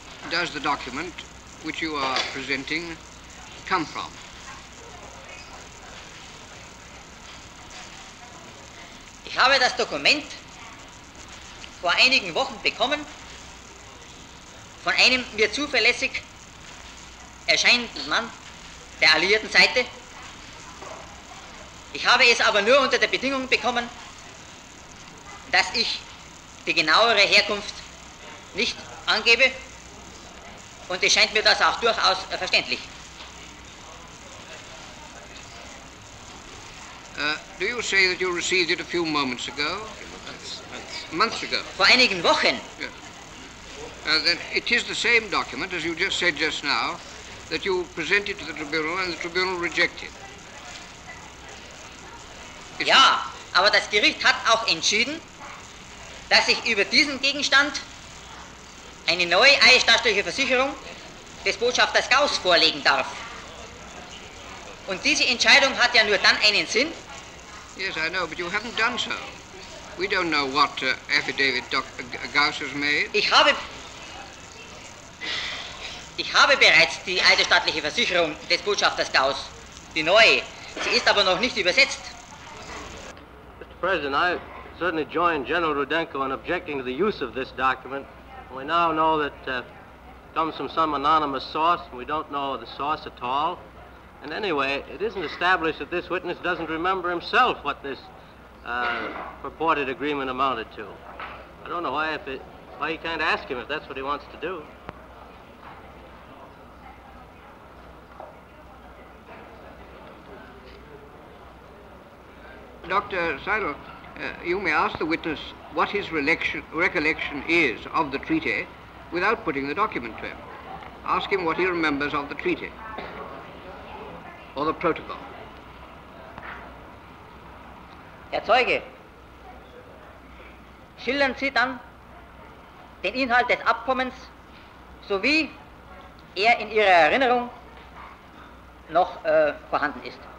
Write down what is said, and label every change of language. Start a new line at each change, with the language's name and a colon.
English: Does the document which you are presenting come from?
German: Ich habe das Dokument vor einigen Wochen bekommen von einem mir zuverlässig erscheinenden Mann der alliierten Seite. Ich habe es aber nur unter der Bedingung bekommen, dass ich die genauere Herkunft nicht angebe. Und es scheint mir das auch durchaus verständlich.
English: Do you say that you received it a few moments ago? Months ago.
German: Vor einigen Wochen.
English: Yeah. Then it is the same document, as you just said just now, that you presented to the tribunal and the tribunal rejected.
German: Ja, aber das Gericht hat auch entschieden, dass ich über diesen Gegenstand eine neue eidesstattliche Versicherung des Botschafters Gauss vorlegen darf. Und diese Entscheidung hat ja nur dann einen Sinn.
English: Yes, I know, but you haven't done so. We don't know what affidavit Gauss has made.
German: Ich habe bereits die eidesstattliche Versicherung des Botschafters Gauss, die neue. Sie ist aber noch nicht übersetzt.
English: Mr. President, I certainly join General Rudenko in objecting to the use of this document. We now know that it comes from some anonymous source, and we don't know the source at all. And anyway, it isn't established that this witness doesn't remember himself what this purported agreement amounted to. I don't know why you can't ask him if that's what he wants to do. Dr. Seidel, you may ask the witness what his recollection is of the treaty without putting the document to him. Ask him what he remembers of the treaty or the protocol.
German: Herr Zeuge, schildern Sie dann den Inhalt des Abkommens, so wie er in Ihrer Erinnerung noch vorhanden ist.